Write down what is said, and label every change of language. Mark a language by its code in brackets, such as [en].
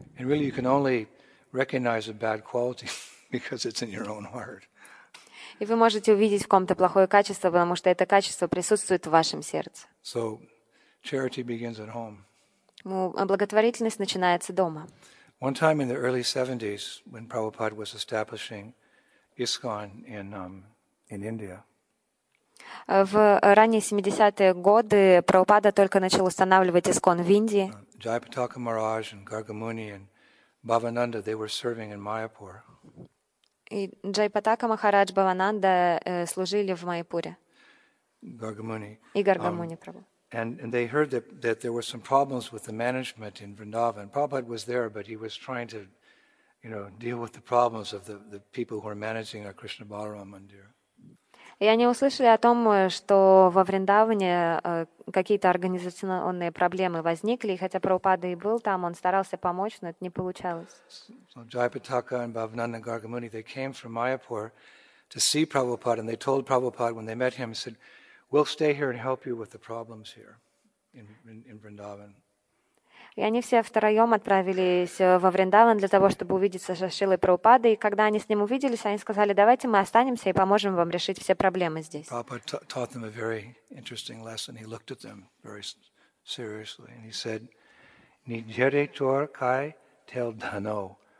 [en] And really you can only recognize a bad quality because it's in your own heart. [ru] И вы можете увидеть в ком-то плохое качество, потому что это качество присутствует в вашем сердце. [en] So charity begins at home. [ru] Ну, благотворительность начинается дома. [en] One time in the early 70s, when Prabhupada was establishing ISKCON in India. [ru] В ранние 70-е годы Прабхупада только начал устанавливать ISKCON в Индии. [en] Jayapataka Maharaj and Gargamuni and Bhavananda, they were serving in Mayapur. [ru] И Jayapataka Maharaj, Bhavananda служили в Майпуре. [en] Gargamuni. [ru] И Gargamuni Prabhu. [en] And they heard that there were some problems with the management in Vrindavan. Prabhupada was there, but he was trying to, you know, deal with the problems of the people who were managing our Krishna Balaram Mandir. [ru] И они услышали о том, что во Вриндаване какие-то организационные проблемы возникли, и хотя Прабхупада и был там, он старался помочь, но это не получалось. [en] So Jayapataka and Bhavananda Gargamuni, they came from Mayapur to see Prabhupada, and they told Prabhupada when they met him, he said, We'll stay here and help you with the problems here in Vrindavan. [ru] И они все втроем отправились во Вриндаван для того, чтобы увидеться со Шрилой Прабхупадой. И когда они с ним увиделись, они сказали, давайте мы останемся и поможем вам решить все проблемы здесь. [en] Prabhupada taught them a very interesting lesson. He looked at them very seriously. And he said, [bn] Nijere tor kai tel dhano.